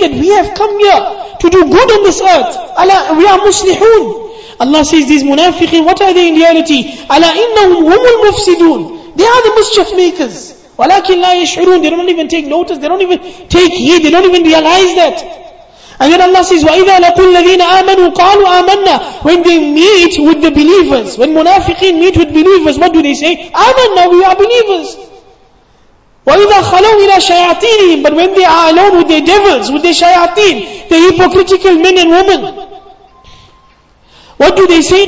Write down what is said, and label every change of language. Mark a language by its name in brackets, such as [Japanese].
[English] That we have come here to do good on this earth. We are muslihun. Allah says, these munafiqeen, what are they in reality? [Arabic] أَلَا إِنَّهُمْ هُمُ الْمُفْسِدُونَ. [English] They are the mischief makers. [Arabic] وَلَكِنْ لَا يَشْعُرُونَ. [English] They don't even take notice. They don't even take heed. They don't even realize that. And then Allah says, [Arabic] وَإِذَا لَقُوا الَّذِينَ آمَنُوا قَالُوا آمَنَّا. [English] When they meet with the believers, when munafiqeen meet with believers, what do they say? آمَنَّا, we are believers. [Arabic] وَإِذَا خَلَوْا إِلَى شَيَاطِينِهِمْ. [English] But when they are alone with their devils, with their shayateen, the hypocritical men and women, what do they say?